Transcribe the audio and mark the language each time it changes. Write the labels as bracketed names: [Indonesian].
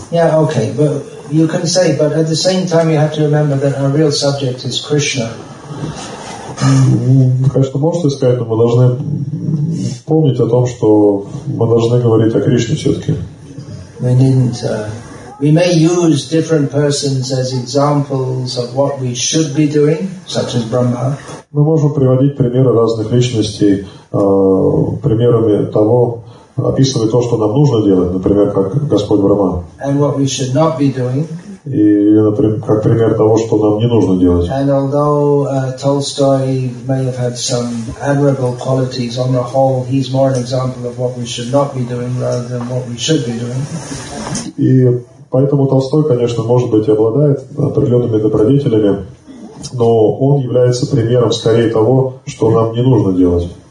[English] Yeah, okay, but you can say, but at the same time you have to remember that our real subject is Krishna. [Russian] Конечно, можете сказать, но мы должны помнить о том, что мы должны говорить о Кришне все-таки. [English] We didn't. We may use different persons as examples of what we should be doing, such as Brahma. [Russian] Мы можем приводить примеры разных личностей, примерами того, описывая то, что нам нужно делать, например, как Господь Брахма. [English] And what we should not be doing. [Russian] И, например, как пример того, что нам не нужно делать. [English] And although Tolstoy may have had some admirable qualities, on the whole, he's more an example of what we should not be doing rather than what we should be doing. [Russian] И поэтому Толстой, конечно, может быть, и обладает определенными добродетелями, но он является примером скорее того, что нам не нужно делать.